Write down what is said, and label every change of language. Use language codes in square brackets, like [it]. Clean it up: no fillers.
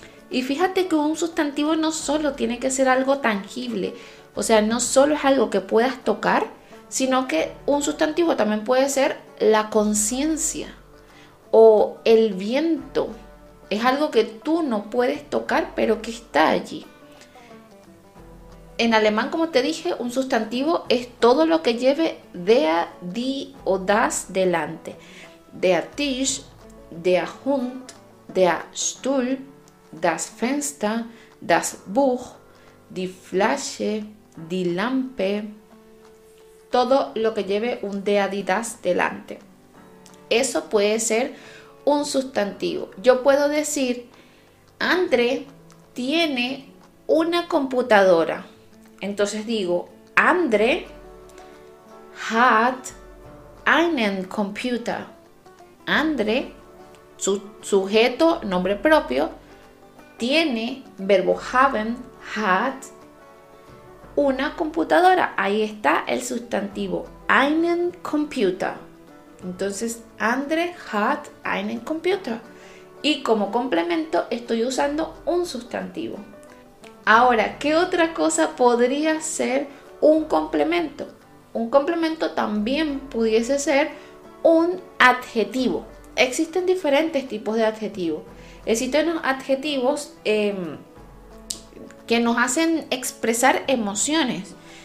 [es] Y fíjate que un sustantivo no solo tiene que ser algo tangible, o sea, no solo es algo que puedas tocar, sino que un sustantivo también puede ser la conciencia o el viento. Es algo que tú no puedes tocar, pero que está allí. En alemán, como te dije, un sustantivo es todo lo que lleve der, die o das delante. Der Tisch, der Hund, der Stuhl, das Fenster, das Buch, die Flasche, die Lampe. Todo lo que lleve un der, die, das delante. Eso puede ser un sustantivo. Yo puedo decir, André tiene una computadora. [de] Entonces digo, André hat einen Computer. [es] André, sujeto, nombre propio, tiene, verbo haben, hat, una computadora. Ahí está el sustantivo, [de] einen Computer. Entonces, André hat einen Computer. [es] Y como complemento estoy usando un sustantivo. Ahora, ¿qué otra cosa podría ser un complemento? Un complemento también pudiese ser un adjetivo. Existen diferentes tipos de adjetivos. Existen los adjetivos que nos hacen expresar emociones.